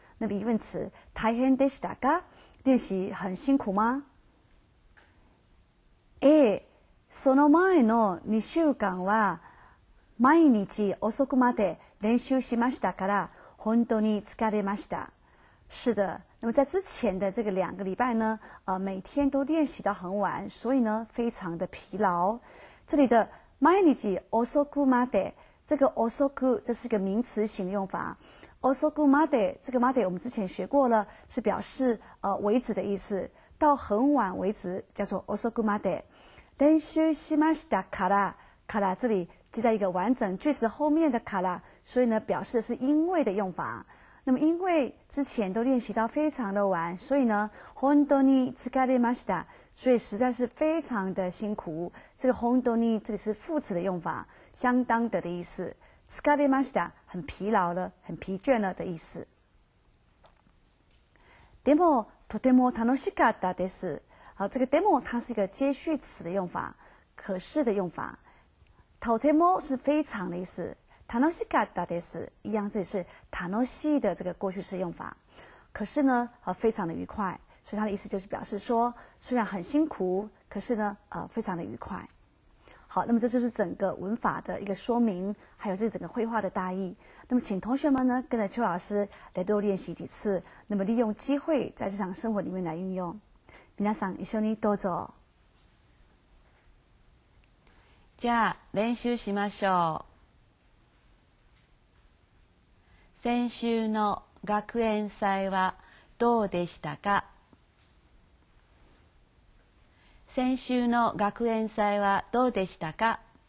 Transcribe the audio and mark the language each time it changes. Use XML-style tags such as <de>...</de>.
<zh>那么疑问词</zh> <ja>大変でしたか？</ja> <zh>练习很辛苦吗？</zh> <ja>その前の2週間は毎日遅くまで練習しましたから本当に疲れました。</ja> <zh>是的，那么在之前的这个两个礼拜呢，每天都练习到很晚，所以呢非常的疲劳。这里的</zh> <ja>毎日遅くまで，</ja> <zh>这个</zh> <ja>遅く</ja> <zh>这是个名词型的用法。</zh> <ja>遅くまで</ja> <zh>这个</zh> <ja>まで</ja> <zh>我们之前学过了，是表示为止的意思，到很晚为止叫做遅くまで。</zh> <ja>練習しましたから，から</ja> <zh>这里接在一个完整句子后面的卡拉，所以呢表示的是因为的用法。那么因为之前都练习到非常的晚，所以呢</zh> <ja>本当に疲れました，</ja> <zh>所以实在是非常的辛苦。这个</zh> <ja>本当に</ja> <zh>这里是副词的用法，相当的意思。</zh> <ja>疲れました</ja> <zh>很疲劳了，很疲倦了的意思。でもとても楽しかったです。好，这个</zh> <ja>でも</ja> <zh>它是一个接续词的用法，可是的用法。</zh> <ja>とても</ja> <zh>是非常的意思，</zh> <ja>楽しかったです</ja> <zh>一样，这里是</zh> <ja>楽しい</ja> <zh>的这个过去式用法。可是呢，非常的愉快，所以它的意思就是表示说，虽然很辛苦，可是呢，非常的愉快。好，那么这就是整个文法的一个说明，还有这整个绘画的大意。那么请同学们呢，跟着邱老师来多练习几次，那么利用机会在日常生活里面来运用。</zh> <ja>皆さん一緒にどうぞ。じゃあ練習しましょう。先週の学園祭はどうでしたか？先週の学園祭はどうでしたか？</ja>